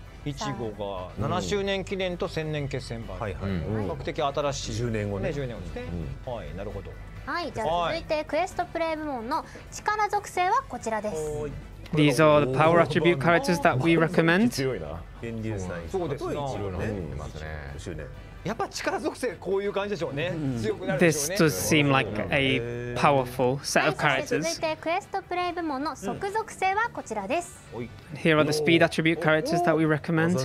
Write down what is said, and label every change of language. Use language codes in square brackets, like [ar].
[ja] いちごが7周年記念と千年決戦版、比較的新しい 10年後ね、 10年後ですね。はい、なるほど。はい、じゃあ続いてクエストプレイ部門の力属性はこちらです。 [en] These are the power attribute characters that we recommend. [ja] 強いな、便利ですね。そうですね、いちごがね、周年、やっぱ力属性こういう感じでしょうね、強くなるでしょうね。 [en] This does seem like a powerful set of characters. [ja] 続いてクエストプレイ部門の速属性はこちらです。 [en] Here are the speed attribute characters that we recommend.